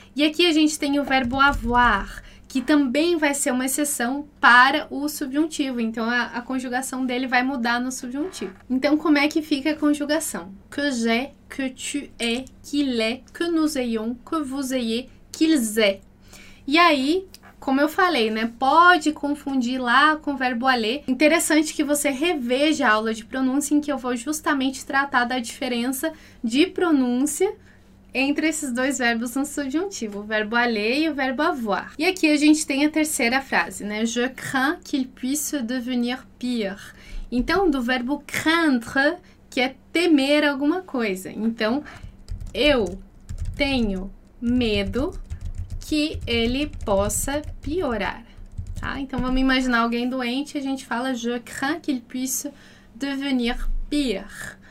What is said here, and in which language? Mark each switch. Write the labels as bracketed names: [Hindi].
[Portuguese] E aqui a gente tem o verbo avoir, que também vai ser uma exceção para o subjuntivo. Então, a conjugação dele vai mudar no subjuntivo. Então, como é que fica a conjugação? [French] Que j'ai, que tu aies, qu'il est, que nous ayons, que vous ayez, qu'ils aient. [Portuguese] E aí, como eu falei, né? Pode confundir lá com o verbo aller. Interessante que você reveja a aula de pronúncia, em que eu vou justamente tratar da diferença de pronúncia entre esses dois verbos no subjuntivo, o verbo aller e o verbo avoir. E aqui a gente tem a terceira frase, né? [French] Je crains qu'il puisse devenir pire. [Portuguese] Então, do verbo craindre, que é temer alguma coisa. Então, eu tenho medo que ele possa piorar, tá? Então vamos imaginar alguém doente, a gente fala [French] je crains qu'il puisse devenir pire.